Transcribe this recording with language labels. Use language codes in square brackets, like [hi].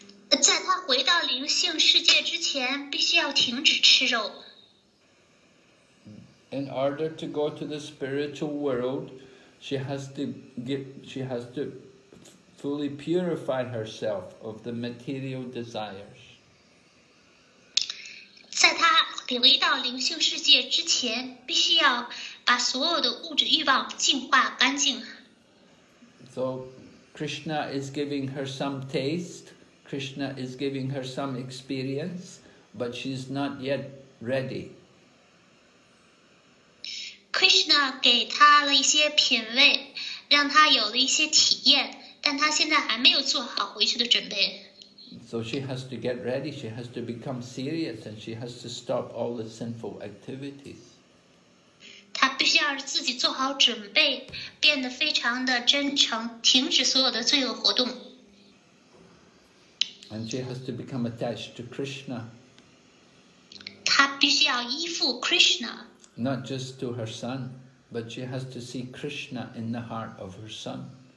[zh] 在她回到灵性世界之前，必须要停止吃肉。 [en] In order to go to the spiritual world, she has to fully purify herself of the material desires. [zh] 在她回到灵性世界之前，必须要 [en] So Krishna is giving her some taste, Krishna is giving her some experience, but she's not yet ready [zh] Krishna 给他了一些品味，让他有了一些体验，但他现在还没有做好回去的准备。 [en] So she has to get ready, she has to become serious, and she has to stop all the sinful activities. [zh] 她必须要自己做好准备，变得非常的真诚，停止所有的罪恶活动。 [en] And she has to become attached to Krishna. [zh] 她必须要依附 Krishna. [en] Not just to her son, but she has to see Krishna in the heart of her son.